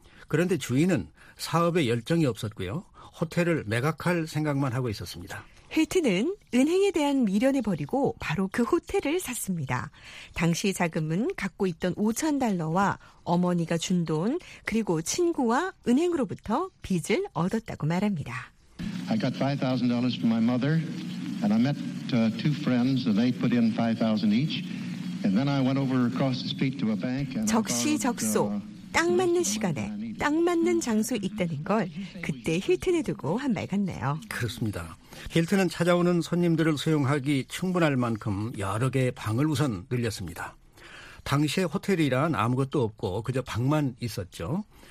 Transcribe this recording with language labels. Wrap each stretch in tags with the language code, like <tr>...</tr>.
<ko>그런데 주인은 사업에 열정이 없었고요. 호텔을 매각할 생각만 하고 있었습니다. 힐튼은 은행에 대한 미련을 버리고 바로 그 호텔을 샀습니다. 당시 자금은 갖고 있던 5천 달러와 어머니가 준 돈 그리고 친구와 은행으로부터 빚을 얻었다고 말합니다.</ko> <en>I got $5,000 from my mother and I met two friends and they put in $5,000 each and then I went over across the street to a bank and</en> <ko>적시적소 딱 맞는 시간에 딱 맞는 장소에 있다는 걸 그때 힐튼에 두고 한 말 같네요. 그렇습니다. 힐튼은 찾아오는 손님들을 수용하기 충분할 만큼 여러 개의 방을 우선 늘렸습니다. 당시에 호텔이란 아무것도 없고 그저 방만 있었죠.</ko>